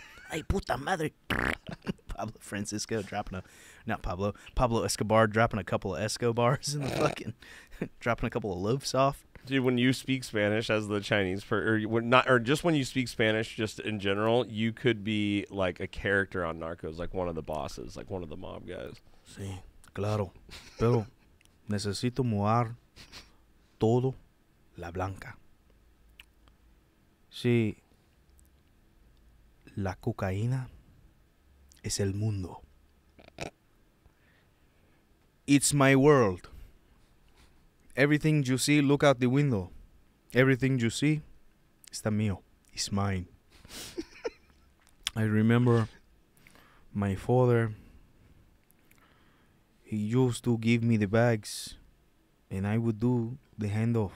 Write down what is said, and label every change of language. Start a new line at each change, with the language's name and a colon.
Spanish: Ay, puta madre.
English: Pablo Francisco dropping a, not Pablo, Pablo Escobar dropping a couple of Escobars in the fucking, dropping a couple of loaves off. Dude, when you speak Spanish as the Chinese, or just when you speak Spanish, just in general, you could be like a character on Narcos, like one of the bosses, like one of the mob guys.
Spanish: Sí, claro. Pero necesito mudar todo la blanca. Sí, la cocaína es el mundo.
English: It's my world. Everything you see, look out the window. Everything you see,
Spanish: está mío.
English: It's mine. I remember my father. He used to give me the bags, and I would do the handoff.